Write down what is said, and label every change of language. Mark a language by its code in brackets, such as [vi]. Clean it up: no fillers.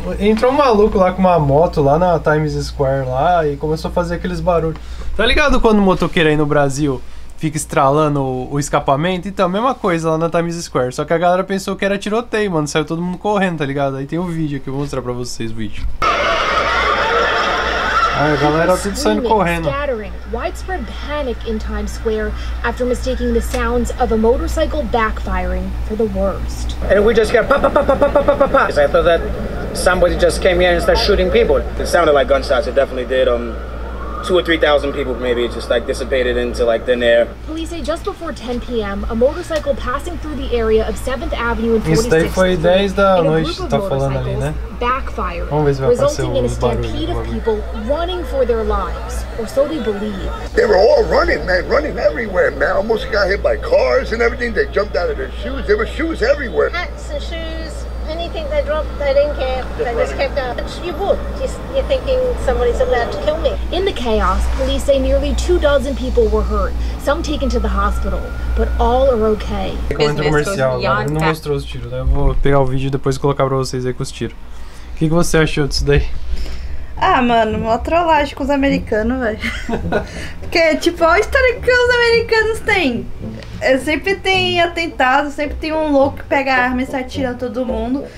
[pt] Entrou um maluco lá com uma moto lá na Times Square lá e começou a fazer aqueles barulhos. Tá ligado quando o motoqueiro aí no Brasil fica estralando o escapamento? Então, mesma coisa lá na Times Square. Só que a galera pensou que era tiroteio, mano. Saiu todo mundo correndo, tá ligado? Aí tem um vídeo aqui, eu vou mostrar pra vocês o vídeo. A galera tudo saindo correndo. [en] Scattering, widespread panic in Times Square after mistaking the sounds of a motorcycle backfiring for the worst. And we just got pa pa pa pa pa pa pa pa pa. I thought that somebody just came here and started shooting people. It sounded like gunshots. It definitely did. 2,000 or 3,000 people maybe just like dissipated into like thin air. Police say just before 10 p.m. a motorcycle passing through the area of 7th Avenue and 46th Street. [pt] Isso daí foi 10 da noite, tá falando ali, né? Vamos ver se vai aparecer o barulho. [en] People running for their lives, or so they believe. They were all running, man, running everywhere, man. Almost got hit by cars and everything. They jumped out of their shoes. There were shoes everywhere. Hats and shoes. Anything they dropped, they didn't care. They just kept up. You're thinking somebody's about to kill me. In the chaos, police say nearly 2,000 people were hurt, some taken to the hospital, but all are okay. [pt] Comentário comercial, não mostrou os tiros, né? Eu vou pegar o vídeo e depois colocar pra vocês aí com os tiros. O que você achou disso daí? Ah, mano, uma trollagem com os americanos, velho. Porque, tipo, olha a história que os americanos têm. Sempre tem atentado, sempre tem um louco que pega a arma e sai atirando todo mundo.